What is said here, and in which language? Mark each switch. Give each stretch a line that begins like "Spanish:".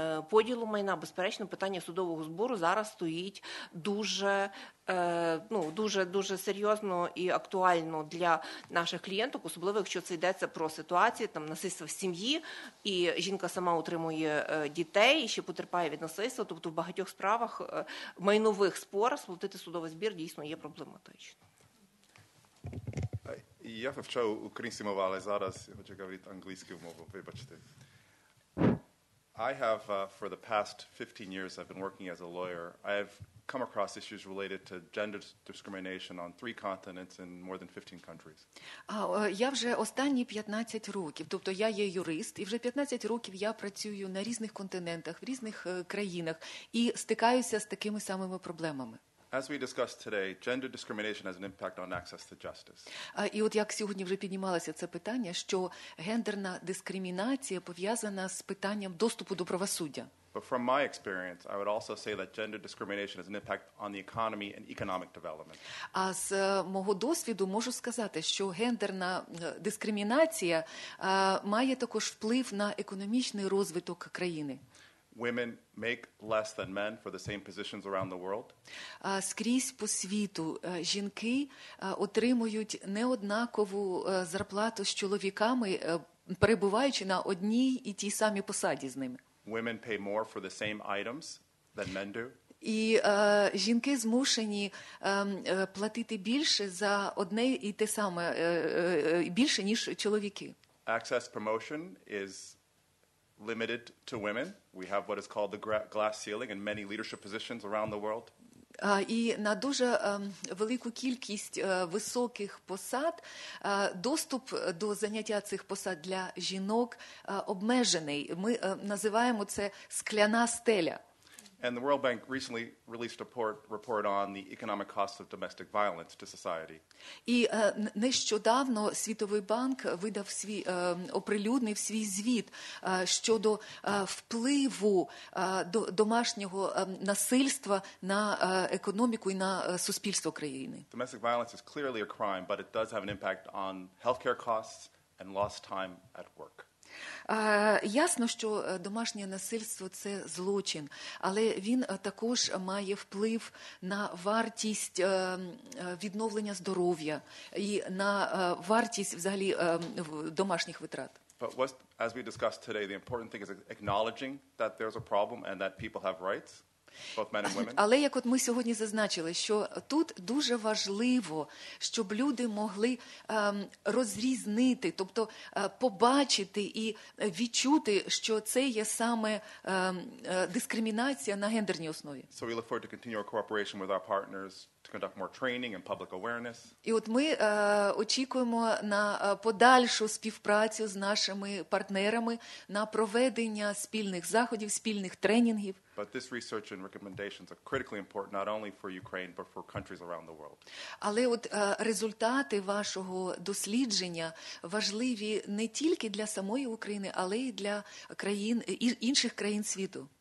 Ukrainian: поділу майна, безперечно, питання судового збору зараз стоїть дуже, ну, дуже, дуже серйозно і актуально для наших клієнток, особливо, якщо це йдеться про ситуацію, там, насильства в сім'ї, і жінка сама утримує дітей, і ще потерпає від насильства, тобто в багатьох справах, майнових спорах, сплатити судовий збір дійсно є проблематично. Я вивчаю українську мову, але зараз хочу говорити англійську мову, вибачте.
English: I have, for the past 15 years I've been working as a lawyer, I've come across issues related to gender discrimination on three continents in more than 15 countries.
Ukrainian: Я вже останні 15 років, тобто я є юрист, і вже 15 років я працюю на різних континентах, в різних країнах, і стикаюся з такими самими проблемами.
English: As we discussed today, gender discrimination has an impact on access to justice.
Ukrainian: І от як сьогодні вже піднімалося це питання, що гендерна дискримінація пов'язана з питанням доступу до правосуддя.
English: But from my experience, I would also say that gender discrimination has an impact on the economy and economic development.
Ukrainian: А з мого досвіду можу сказати, що гендерна дискримінація має також вплив на економічний розвиток країни.
English: Women make less than men for the same positions around the world.
Ukrainian: Скрізь по світу жінки отримують неоднакову зарплату з чоловіками, перебуваючи на одній і тій самій посаді з ними.
English: Women pay more for the same items than men do.
Ukrainian: І жінки змушені платити більше за одне і те саме, більше, ніж чоловіки.
English: Access promotion is limited to women. We have what is called the glass ceiling in many leadership positions around the world.
Ukrainian: І на дуже велику кількість високих посад доступ до заняття цих посад для жінок обмежений. Ми називаємо це скляна стеля.
English: And the World Bank recently released a report on the economic costs of domestic violence to society.
Ukrainian: І нещодавно Світовий банк видав свій оприлюднив свій звіт щодо впливу домашнього насильства на економіку і на суспільство країни.
English: Domestic violence is clearly a crime, but it does have an impact on healthcare costs and lost time at work.
Ukrainian: Ясно, що домашнє насильство – це злочин, але він також має вплив на вартість відновлення здоров'я і на вартість взагалі домашніх витрат.
English: But what, as we discussed today, the important thing is acknowledging that there's a problem and that people have rights. Both men and women.
Ukrainian: Але як от ми сьогодні зазначили, що тут дуже важливо, щоб люди могли розрізнити, тобто побачити і відчути, що це є саме дискримінація на гендерній основі.
English: So we look forward to continue our cooperation with our partners to conduct more training and public awareness.
Ukrainian: І от ми очікуємо на подальшу співпрацю з нашими партнерами, на проведення спільних заходів, спільних тренінгів.
English: But this research and recommendations are critically important not only for Ukraine but for countries around the world.
Ukrainian: Але от результати вашого дослідження важливі не тільки для самої України, але й для країн інших країн світу.